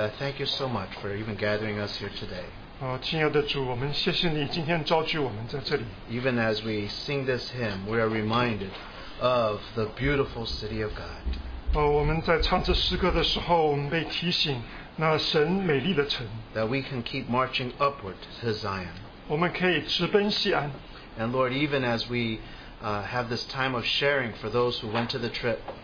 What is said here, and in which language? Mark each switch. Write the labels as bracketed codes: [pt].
[en] Thank you so much for even gathering us here today. [zh] 亲爱的主, 我们谢谢你今天召聚我们在这里。 [en] Even as we sing this hymn, we are reminded of the beautiful city of God. [zh] 我们在唱这诗歌的时候, 我们被提醒, 那神美丽的城, [en] that we can keep marching upward to Zion. [zh] 我们可以直奔西安。 [en] And Lord, even as we have this time of sharing for those who went to the trip,